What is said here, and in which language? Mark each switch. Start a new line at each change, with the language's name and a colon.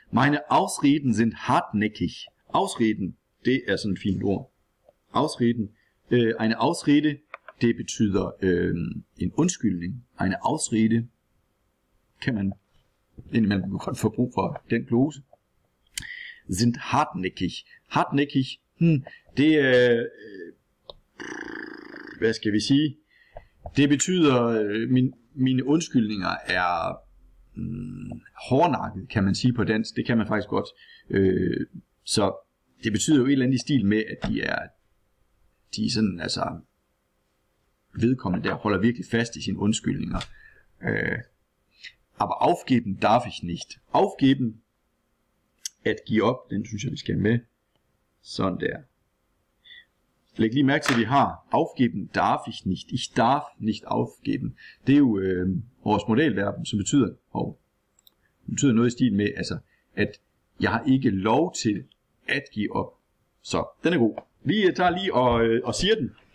German: Meine Ausreden sind hartnäckig.
Danish: Ausreden, det er sådan et fint ord. Ausreden.
German: Eine Ausrede,
Danish: det betyder en undskyldning. Eine Ausrede kan man indimellem godt få brug for den glose.
German: Sind hartnäckig.
Danish: Hartnäckig, det er hvad skal vi sige? Det betyder mine undskyldninger er hårdnakket, kan man sige på dansk. Det kan man faktisk godt. Så det betyder jo et eller andet i stil med, at de er sådan, altså vedkommende der holder virkelig fast i sine undskyldninger.
German: Aber aufgeben darf ich nicht.
Danish: Aufgeben, at give op, den synes jeg, vi skal med. Sådan der. Læg lige mærke til, at vi har
German: aufgeben darf ich nicht. Ich darf nicht aufgeben.
Danish: Det er jo vores modelverben, som betyder, betyder noget i stil med, altså, at jeg har ikke lov til at give op. Så den er god. Vi tager lige og siger den.